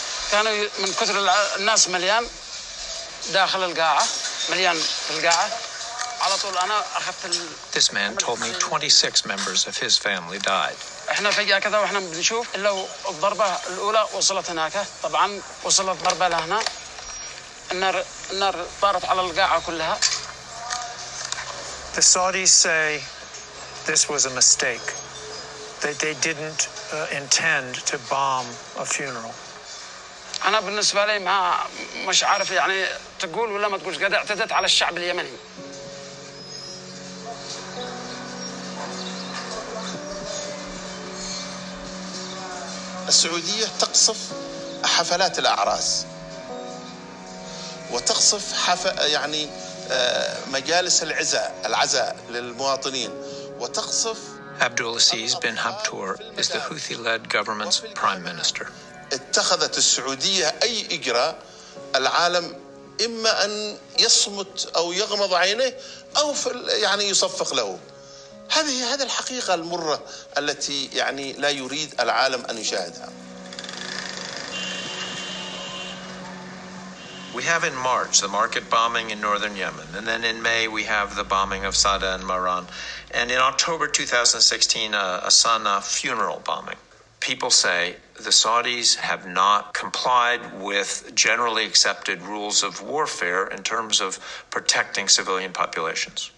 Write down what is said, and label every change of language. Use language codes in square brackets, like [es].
[ar] كانوا من كثر الناس مليان داخل القاعة مليان في القاعة على طول أنا أخذت. [en] This man told me 26 members of his family died. [ar] إحنا فجأة كذا وإحنا بنشوف إلا الضربة الأولى وصلت هناك طبعا وصلت ضربة لهنا النار طارت على القاعة كلها. [en] The Saudis say this was a mistake. That they didn't intend to bomb a funeral. [ar] أنا بالنسبة لي ما مش عارف يعني تقول ولا ما تقولش قد اعتدت على الشعب اليمني. السعودية تقصف حفلات الأعراس وتقصف يعني مجالس العزاء العزاء للمواطنين وتقصف. [en] Abdul Aziz bin Habtour is the Houthi-led government's prime minister. [ar] اتخذت السعودية أي إجراء العالم إما أن يصمت أو يغمض عينيه أو يعني يصفق له هذه الحقيقة المرة التي يعني لا يريد العالم أن يشاهدها. [en] We have in March the market bombing in northern Yemen, and then in May we have the bombing of Sada and Maran, and in October 2016 a Sana'a funeral bombing. people say the Saudis have not complied with generally accepted rules of warfare in terms of protecting civilian populations.